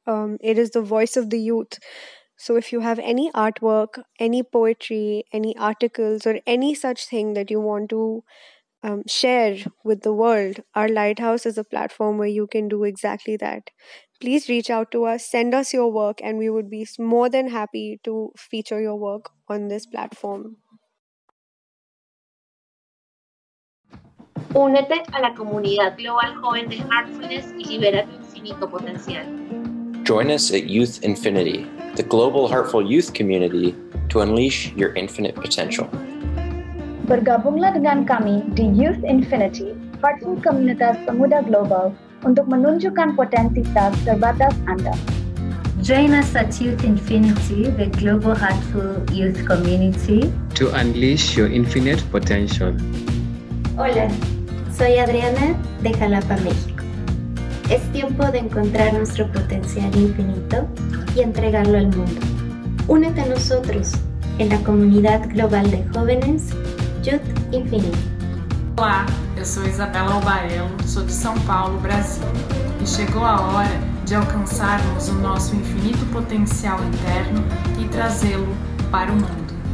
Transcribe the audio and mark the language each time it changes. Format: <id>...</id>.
<en>It is the voice of the youth. So if you have any artwork, any poetry, any articles, or any such thing that you want to share with the world, our Lighthouse is a platform where you can do exactly that. Please reach out to us, send us your work, and we would be more than happy to feature your work on this platform.</en> <es>Únete a la comunidad global joven de Heartfulness y libera tu infinito potencial.</es> <en>Join us at Youth Infinity, the global Heartful Youth community, to unleash your infinite potential.</en> <id>Bergabunglah dengan kami di Youth Infinity, Heartful Komunitas Pemuda Global, untuk menunjukkan potensi tak terbatas Anda.</id> <en>Join us at Youth Infinity, the global Heartful Youth community, to unleash your infinite potential.</en> <es>Hola. Soy Adriana de Jalapa, México. Es tiempo de encontrar nuestro potencial infinito y entregarlo al mundo. Únete a nosotros en la comunidad global de jóvenes Youth Infinity.</es> <pt>Olá, eu sou Isabela Albarello, sou de São Paulo, Brasil. E chegou a hora de alcançarmos o nosso infinito potencial interno e trazê-lo para o mundo.</pt>